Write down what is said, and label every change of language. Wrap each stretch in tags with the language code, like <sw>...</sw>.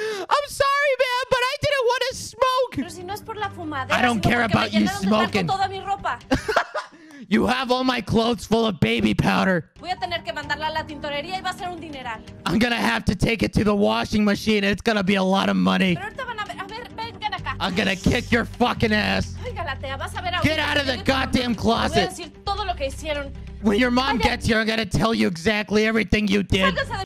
<en>I'm sorry, man, but I didn't want to smoke.</en> <es>Pero si no es por la fumadera,</es> <en>I don't care about you smoking.</en> <es>Toda mi ropa.</es> <en>You have all my clothes full of baby powder.</en> <es>Voy a tener que mandarla a la tintorería y va a ser un dineral.</es> <en>I'm gonna have to take it to the washing machine. It's gonna be a lot of money.</en> <es>Pero ahorita van a ver, vengan acá.</es> <en>I'm gonna kick your fucking ass.</en> <es>Oiga, Galatea, vas a ver ahora.</es> <en>Get out of the goddamn closet.</en> <es>Voy a decir todo lo que hicieron.</es> <en>When your mom gets here, I'm gonna tell you exactly everything you did.</en>